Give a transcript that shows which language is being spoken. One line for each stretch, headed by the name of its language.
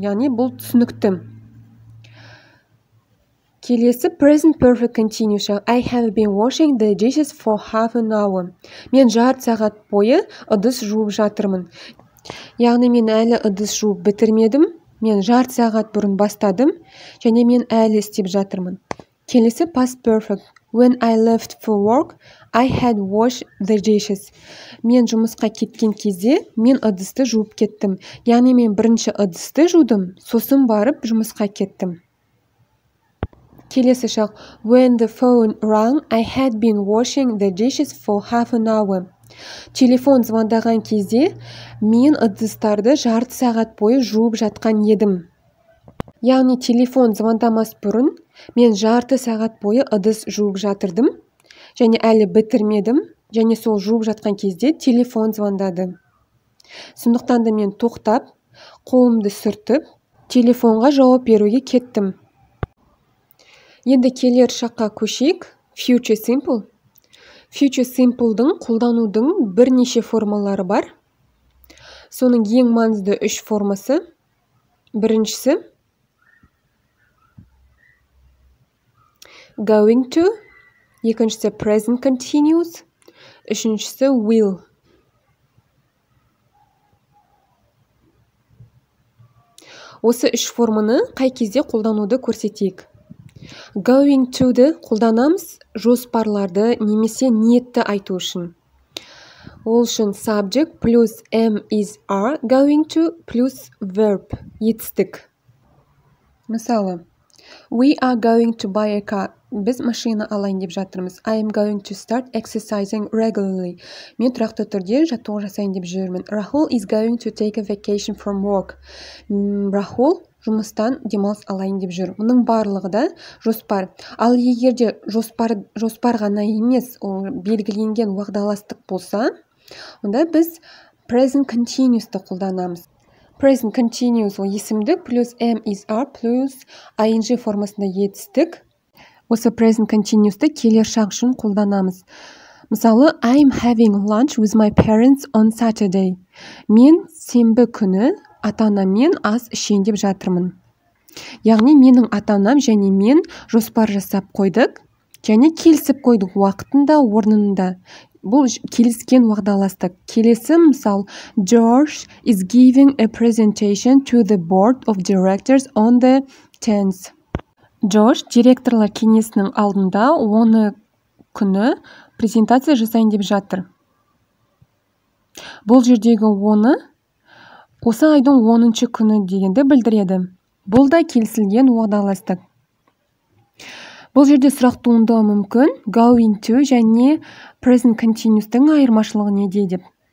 Kazakh: Яғни бұл түсінікті. Келесі
English: present perfect continuous. I have been washing the dishes for half an hour.
Kazakh: Мен жарты сағат бойы ыдыс жуып жатырмын. Яғни мен әлі ыдыс жуып бітірмедім. Мен жарты сағат бұрын бастадым. Және мен әлі істеп жатырмын. Келесі
English: past perfect. When I left for work, I had washed the dishes.
Kazakh: Мен жұмысқа кеткен кезде, мен ыдысты жуып кеттім. Яғни мен бірінші ыдысты жудым, сосын барып жұмысқа кеттім. Келесі шақ.
English: When the phone rang, I had been washing the dishes for half an hour.
Kazakh: Телефон звондаған кезде, мен ыдыстарды жарты сағат бойы жуып жатқан едім. Яғни телефон звондамас бұрын, мен жарты сағат бойы ыдыс жуып жатырдым. Және әлі бітірмедім, және сол жуып жатқан кезде телефон звондады. Сондықтан да мен тоқтап, қолымды сүртіп, телефонға жауап беруге кеттім. Енді келер шаққа көшейік, future simple. Future simple-дің қолданудың бірнеше формалары бар. Соның ең маңызды 3 формасы. Біріншісі,
English: going to.
Kazakh: Екіншісі present continuous. Үшіншісі will. Осы үш форманы қай кезде қолдануды көрсетейік. Going to-ді қолданамыз жоспарларды немесе ниетті айту үшін. Ол үшін
English: subject plus am is are going to plus verb етістік.
Kazakh: Мысалы,
English: we are going to buy a car.
Kazakh: Біз машина алайын деп жатырмыз.
English: I am going to start exercising regularly.
Kazakh: Мен тұрақты түрде жаттығу жасайын деп жүрмін.
English: Rahul is going to take a vacation from work.
Kazakh: Rahul жұмыстан демалыс алайын деп жүр. Мұның барлығы да жоспар. Ал егер де жоспар ғана емес, ол белгіленген уағдаластық болса, онда біз present continuous-ты қолданамыз. Present continuous ол есімдік плюс
English: am is are
Kazakh: плюс ing формасында етістік. Осы present continuous-ты келер шақ үшін қолданамыз. Мысалы,
English: I am having lunch with my parents on Saturday.
Kazakh: Мен сенбі күні ата-анаммен ас ішейін деп жатырмын. Яғни менің ата-анам және мен жоспар жасап қойдық және келісіп қойдық уақытында, орнында. Бұл келіскен уағдаластық. Келесі мысал,
English: George is giving a presentation to the board of directors on the 10th.
Kazakh: Джош директорлар кеңесінің алдында 10 күні презентация жасайын деп жатыр. Бұл жердегі 10-ы осы айдың 10-ші күні дегенді білдіреді. Бұл да келісілген уағдаластық. Бұл жерде сұрақ туындауы мүмкін going to және present continuous-тың айырмашылығы неде деп.